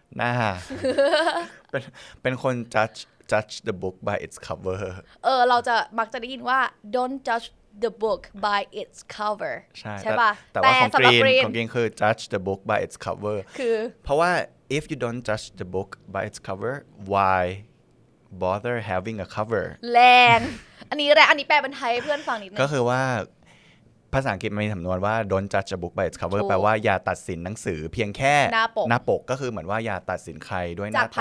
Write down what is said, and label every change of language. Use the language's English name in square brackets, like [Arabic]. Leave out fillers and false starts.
[Thai] น่า เป็นคน [English] judge the book by its cover [Thai] เราจะมักจะได้ยินว่า [English] don't judgeThe book by its cover [Thai] ใช่ป่ะ แต่ว่า ของกรีนคือ [English] judge the book by its cover [Thai] คือ เพราะว่า [English] if you don't judge the book by its cover why bother having a cover [Thai] แรงอันนี้แหละอันนี้แปลเป็นไทยเพื่อนฟังนิดนึง ก็คือว่า ภาษาอังกฤษมันมีสำนวนว่า [English] don't judge a book by its cover [Thai] แปลว่าอย่าตัดสินหนังสือเพียงแค่หน้าปก หน้าปกก็คือเหมือนว่าอย่าตัดสินใครด้วยหน้าต